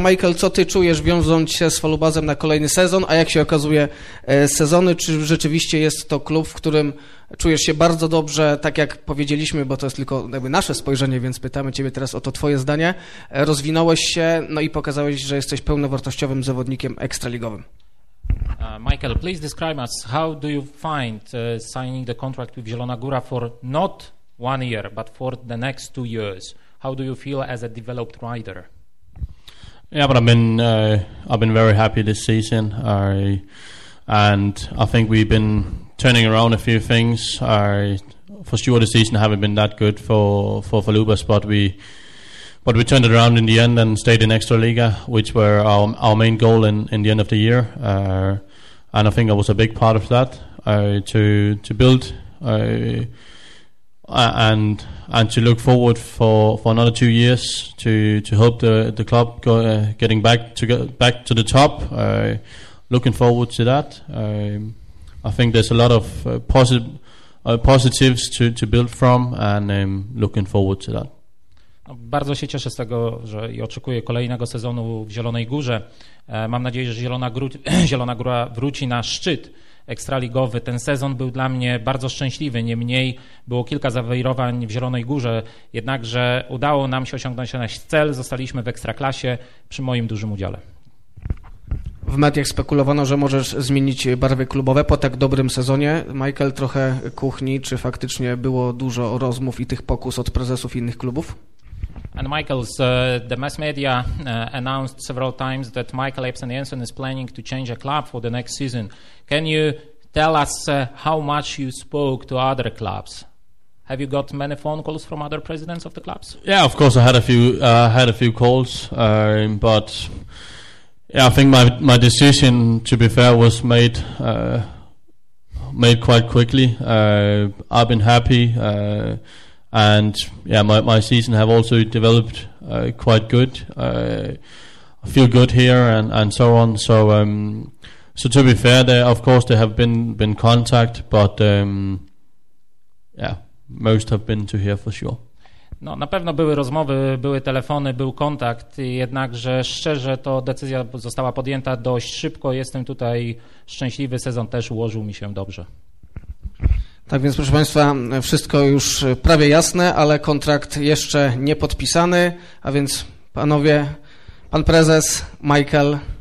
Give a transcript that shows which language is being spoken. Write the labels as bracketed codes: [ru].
[pl] Michael, co ty czujesz wiążąc się z Falubazem na kolejny sezon, a jak się okazuje sezony, czy rzeczywiście jest to klub, w którym czujesz się bardzo dobrze, tak jak powiedzieliśmy, bo to jest tylko jakby nasze spojrzenie, więc pytamy ciebie teraz o to twoje zdanie. Rozwinąłeś się, no i pokazałeś, że jesteś pełnowartościowym zawodnikiem ekstraligowym. [en] Michael, please describe us, how do you find signing the contract with Zielona Góra for not 1 year, but for the next 2 years, how do you feel as a developed rider? Yeah, but I've been very happy this season. I think we've been turning around a few things. For sure, the season haven't been that good for Falubas, but we turned it around in the end and stayed in Extraliga, which were our main goal in the end of the year. And I think I was a big part of that to build. And to look forward for another 2 years to help the club getting back to the top. Looking forward to that. I think there's a lot of positives to build from, and looking forward to that. [pl] Bardzo się cieszę z tego, że i oczekuję kolejnego sezonu w Zielonej Górze. Mam nadzieję, że Zielona Góra wróci na szczyt ekstraligowy. Ten sezon był dla mnie bardzo szczęśliwy, niemniej było kilka zawirowań w Zielonej Górze, jednakże udało nam się osiągnąć nasz cel, zostaliśmy w ekstraklasie przy moim dużym udziale. W mediach spekulowano, że możesz zmienić barwy klubowe po tak dobrym sezonie. Michael, trochę kuchni, czy faktycznie było dużo rozmów i tych pokus od prezesów innych klubów? [en] And Michael's the mass media announced several times that Michael Ebsen Jensen is planning to change a club for the next season. Can you tell us how much you spoke to other clubs? Have you got many phone calls from other presidents of the clubs? Yeah, of course I had a few calls, but yeah, I think my decision, to be fair, was made quite quickly. I've been happy, and yeah, my season have also developed quite good. I feel good here and so on. So to be fair, there have been contact, but yeah, most have been to here for sure. [pl] No, na pewno były rozmowy, były telefony, był kontakt, jednakże szczerze to decyzja została podjęta dość szybko. Jestem tutaj szczęśliwy, sezon też ułożył mi się dobrze. Tak więc, proszę Państwa, wszystko już prawie jasne, ale kontrakt jeszcze nie podpisany, a więc panowie, pan prezes, Michael.